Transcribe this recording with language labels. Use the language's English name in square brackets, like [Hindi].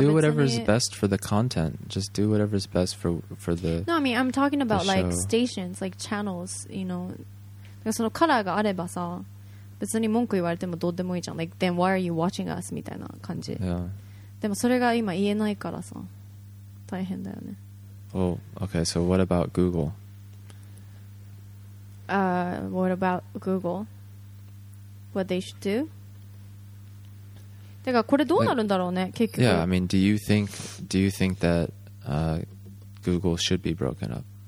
[English] 別に、 just do whatever is best for the content. Just do whatever is best for the. No, I mean, I'm talking about like stations, like channels. You know, [Japanese] そのカラーがあればさ、別に文句言われてもどうでもいいじゃん。 [English] Like then why are you watching us? [Japanese] みたいな感じ。 [English] Yeah. [Japanese] でもそれが今言えないからさ、大変だよね。 [English] Oh, okay. So what about Google? What about Google? What they should do? [Japanese] てかこれどうなるんだろうね、結局。 [English] Yeah, I mean, do you think that、Google should be broken up?